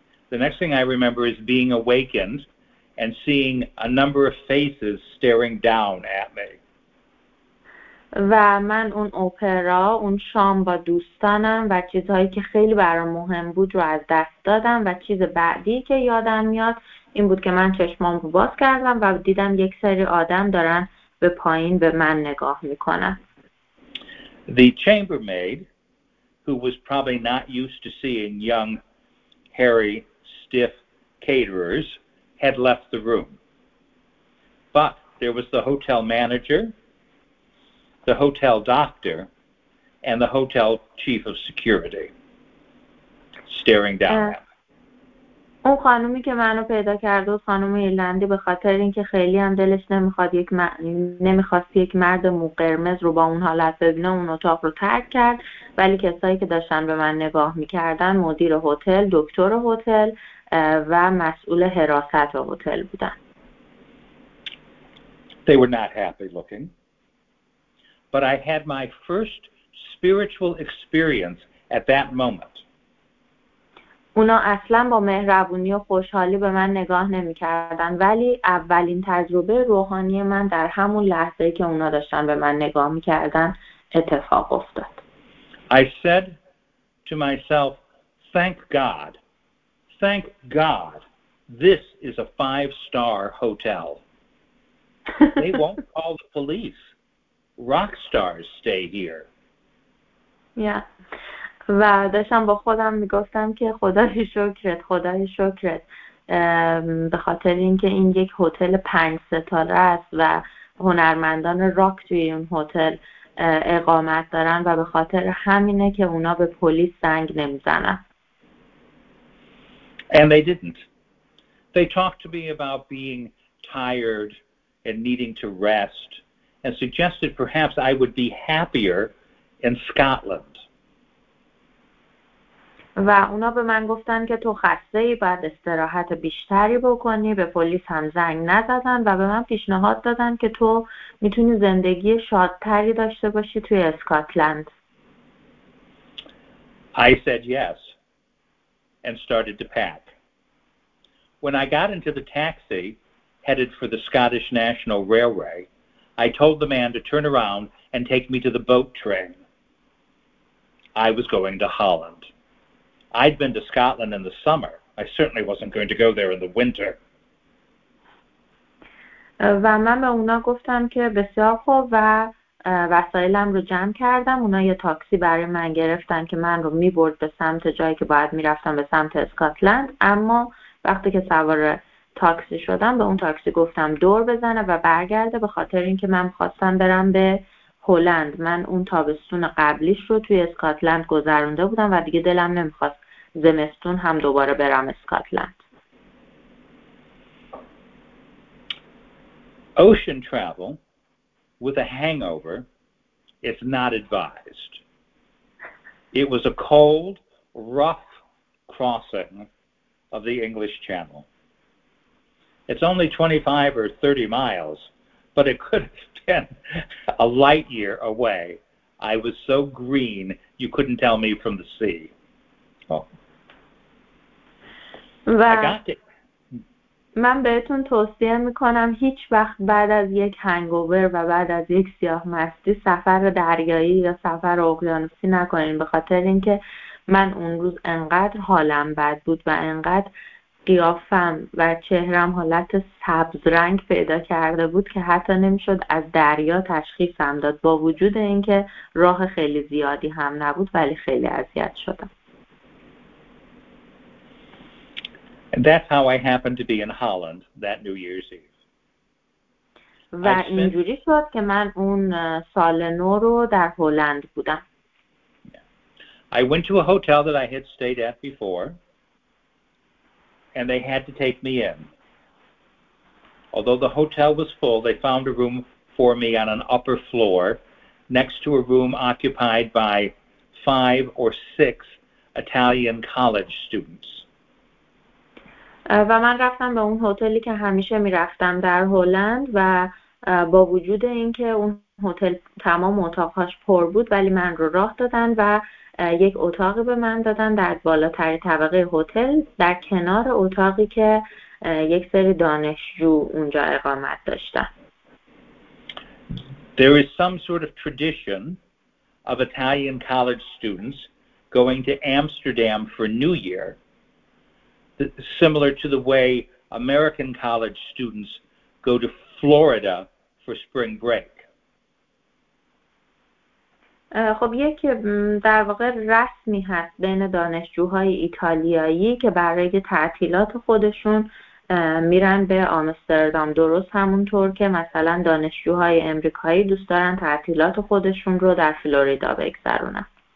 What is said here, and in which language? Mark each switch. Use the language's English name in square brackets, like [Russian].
[English] The next thing I remember is being awakened and seeing a number of faces staring down at me. [Persian] و من اون اپرا، اون شام با دوستانم و چیزهایی که خیلی برام مهم بود رو از دست دادم و چیز بعدی که یادم میاد این بود که من چشمام رو باز کردم و دیدم یک سری آدم دارن به پایین به من نگاه میکنن. [English] The chambermaid, who was probably not used to seeing young, hairy, stiff caterers, had left the room. But there was the hotel manager, the hotel doctor, and the hotel chief of security staring down at me. [Persian] اون خانومی که منو پیدا کرد و خانوم ایرلندی به خاطر اینکه خیلی هم دلش نمیخواست یک مرد مو قرمز رو با اون حالت ببینه اون اتاق رو ترک کرد ولی کسایی که داشتن به من نگاه میکردن مدیر هتل، دکتر هتل و مسئول حراست هتل بودن. [English] They were not happy looking. But I had my first spiritual experience at that moment. [Persian] اونا اصلا با مهربونی و خوشحالی به من نگاه نمی‌کردن ولی اولین تجربه روحانی من در همون لحظه‌ای که اونا داشتن به من نگاه می‌کردن اتفاق افتاد. [English] I said to myself, "Thank God. Thank God. This is a five-star hotel. They won't call the police. Rock stars stay here." Yeah. [Persian] و داشتم با خودم میگفتم که خدای شکرت. به خاطر اینکه این یک هتل پنج ستاره است و هنرمندان راک توی این هتل اقامت دارن و به خاطر همینه که اونا به پلیس زنگ نمیزنن. [English] And they didn't. They talked to me about being tired and needing to rest. And suggested perhaps I would be happier in Scotland. [Persian] و اونا به من گفتن که تو خسته‌ای، باید استراحت بیشتری بکنی، به پلیس هم زنگ نزدن و به من پیشنهاد دادن که تو میتونی زندگی شادتری داشته باشی توی اسکاتلند. [English] I said yes and started to pack. When I got into the taxi headed for the Scottish National Railway, I told the man to turn around and take me to the boat train. I was going to Holland. I'd been to Scotland in the summer. I certainly wasn't going to go there in the winter. [Persian] و من به اونا گفتم که بسیار خوب و وسایلم رو جمع کردم. اونا یه تاکسی برای من گرفتن که من رو میبرد به سمت جایی که باید میرفتم به سمت اسکاتلند. اما وقتی که سوار تاکسی شدم به اون تاکسی گفتم دور بزنه و برگرده به خاطر اینکه من خواستم برم به هلند. من اون تابستون قبلیش رو توی اسکاتلند گذرونده بودم و دیگه دلم نمیخواست زمستون هم دوباره برم اسکاتلند. [English] Ocean travel with a hangover is not advised. It was a cold, rough crossing of the English Channel. It's only 25 or 30 miles, but it could have been a light year away. I was so green, you couldn't tell me from the sea. [Persian] من بهتون توصیه میکنم هیچ وقت بعد از یک هنگوور و بعد از یک سیاه مستی سفر دریایی یا سفر اقیانوسی نکنین به خاطر اینکه من اون روز انقدر حالم بد بود و انقدر قیافم و چهرم حالت سبز رنگ پیدا کرده بود که حتی نمیشد از دریا تشخیصم داد با وجود اینکه راه خیلی زیادی هم نبود ولی خیلی اذیت شدم. [English] And that's how I happened to be in Holland that New Year's Eve. [Persian] و اینجوری شد که من اون سال نو رو در هلند بودم. [English] I went to a hotel that I had stayed at before and they had to take me in. Although the hotel was full, they found a room for me on an upper floor next to a room occupied by 5 or 6 Italian college students. [Persian] و من رفتم به اون هتلی که همیشه میرفتم در هلند و با وجود اینکه اون هتل تمام اتاقهاش پر بود ولی من رو راه دادن و یک اتاقی به من دادن در بالاتر طبقه هتل در کنار اتاقی که یک سری دانشجو اونجا اقامت داشتن. [English] There is some sort of tradition of Italian college students going to Amsterdam for New Year, similar to the way American college students go to Florida for spring break. [Persian] خب یک در واقع رسمی هست بین دانشجوهای ایتالیایی که برای تعطیلات خودشون میرن به آمستردام، درست همونطور که مثلا دانشجوهای امریکایی دوست دارن تعطیلات خودشون رو در فلوریدا بگذرونن.